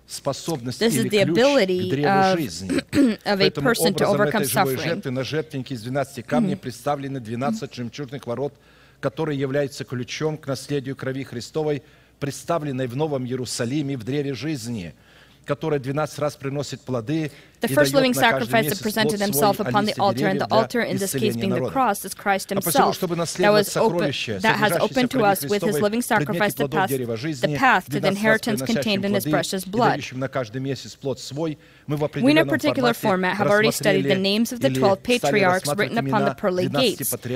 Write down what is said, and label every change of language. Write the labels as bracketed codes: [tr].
[en] This is the ability of a person to overcome suffering. [ru] Который является ключом к наследию крови Христовой, представленной в Новом Иерусалиме в древе жизни, которое 12 раз приносит плоды. [en] The first living sacrifice that presented himself upon the altar, and the altar in this case being the cross, is Christ himself, that has opened to us with his living sacrifice the path to the inheritance contained in his precious blood. We in a particular format have already studied the names of the 12 patriarchs written upon the pearly gates.